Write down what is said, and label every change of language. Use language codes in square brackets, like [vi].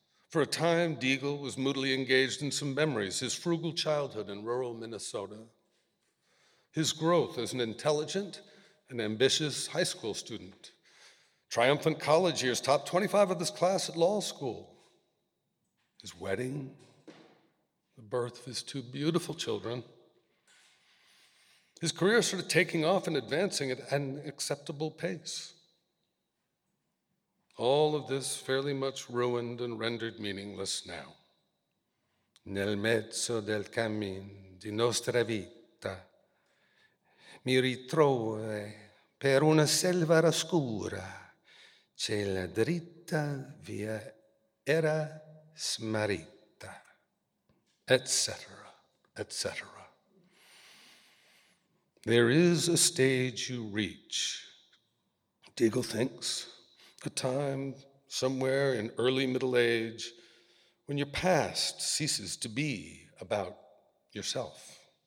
[en] For a time, Deagle was moodily engaged in some memories, his frugal childhood in rural Minnesota, his growth as an intelligent, an ambitious high school student, triumphant college years, top 25 of his class at law school, his wedding, the birth of his two beautiful children, His career sort of taking off and advancing at an acceptable pace. All of this fairly much ruined and rendered meaningless now. [it] Nel mezzo del cammin di nostra vita, mi ritrovo per una selva oscura, c'è la dritta via era smarrita, etc., etc. [en] There is a stage you reach, Diggle thinks, a time somewhere in early middle age when your past ceases to be about yourself.